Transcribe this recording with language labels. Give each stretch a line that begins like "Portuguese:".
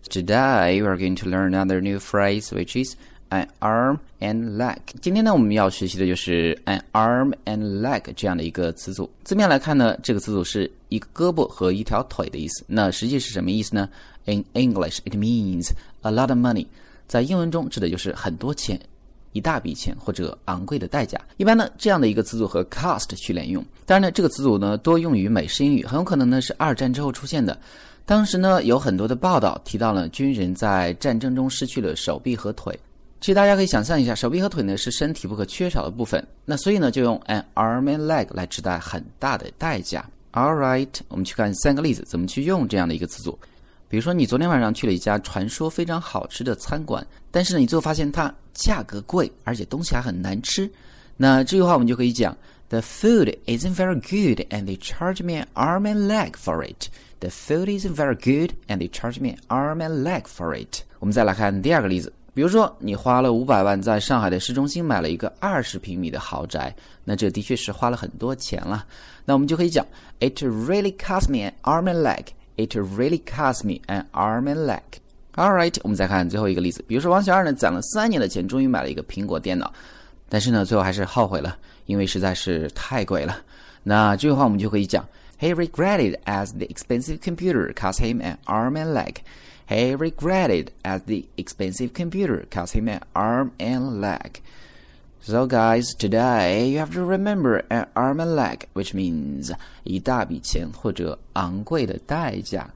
English: Today, we're going to learn another new phrase, which is an arm and leg.
Chinese: 今天呢，我们要学习的就是
English: an arm and leg
Chinese: 这样的一个词组。字面来看呢，这个词组是一个胳膊和一条腿的意思。那实际是什么意思呢？
English: In English, it means a lot of money.
Chinese: 在英文中指的就是很多钱。一大笔钱或者昂贵的代价，一般呢这样的一个词组和 cost 去连用。当然呢，这个词组呢多用于美式英语，很有可能呢是二战之后出现的。当时呢有很多的报道提到了军人在战争中失去了手臂和腿。其实大家可以想象一下，手臂和腿呢是身体不可缺少的部分，那所以呢就用
English: an arm and leg
Chinese: 来指代很大的代价。 Alright， 我们去看三个例子怎么去用这样的一个词组。比如说你昨天晚上去了一家传说非常好吃的餐馆，但是呢你最后发现它价格贵，而且东西还很难吃。那这句话我们就可以讲
English: The food isn't very good and they charge me an arm and leg for it. The food isn't very good and they charge me an arm and leg for it.
Chinese: 我们再来看第二个例子。比如说你花了500万在上海的市中心买了一个20平米的豪宅，那这的确是花了很多钱了。那我们就可以讲
English: It really cost me an arm and leg. It really cost me an arm and leg.
Chinese: Alright, 我们再看最后一个例子。比如说王小二呢攒了3年的钱终于买了一个苹果电脑，但是呢最后还是后悔了，因为实在是太贵了。那这句话我们就可以讲
English: He regretted as the expensive computer cost him an arm and leg. He regretted as the expensive computer cost him an arm and leg. So guys, today you have to remember an arm and leg, which means
Chinese: 一大笔钱或者昂贵的代价。